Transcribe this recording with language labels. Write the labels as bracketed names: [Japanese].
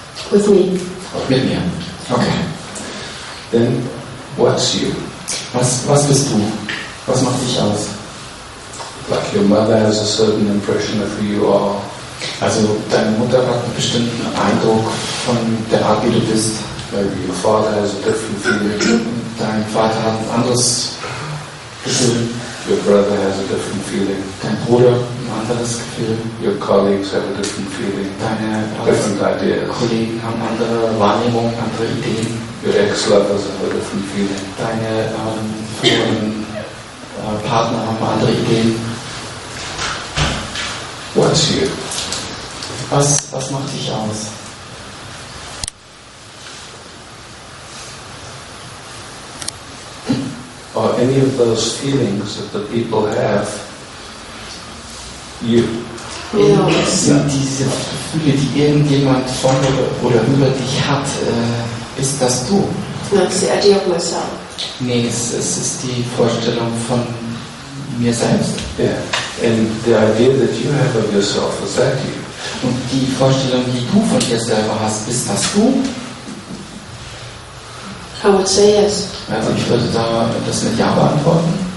[English] With me. [German] Mit mir. Okay. [English] Then what's you? [German] Was bist du? Was macht dich aus? [English] Like your mother has a certain impression of who you are. [German] Also deine Mutter hat einen bestimmten Eindruck von der Art, wie du bist. [English] Maybe your father has a different feeling. [German] Dein Vater hat ein anderes Gefühl. [English] Your brother has a different feeling. [German] Dein Bruder ein anderes Gefühl. [English] Your colleagues have a different feeling. [German] Deine [English] different ideas. [German] Kollegen haben andere Wahrnehmungen, andere Ideen. [English] Your ex-lovers have a different feeling. [German] Deine früheren Partner haben andere Ideen. [English] What's you? [German] Was macht dich aus? [English] Are any of those feelings that the people have you? [German] Sind diese Gefühle, die irgendjemand von oder über dich hat, ist das du? [English] No, it's the idea of myself. [German] Nee, es ist die Vorstellung von mir selbst. [English] Yeah. And the idea that you have of yourself, is that you? [German] Und die Vorstellung, die du von dir selber hast, bist das du? [English] I would say yes. [German] Also ich würde da das mit Ja beantworten.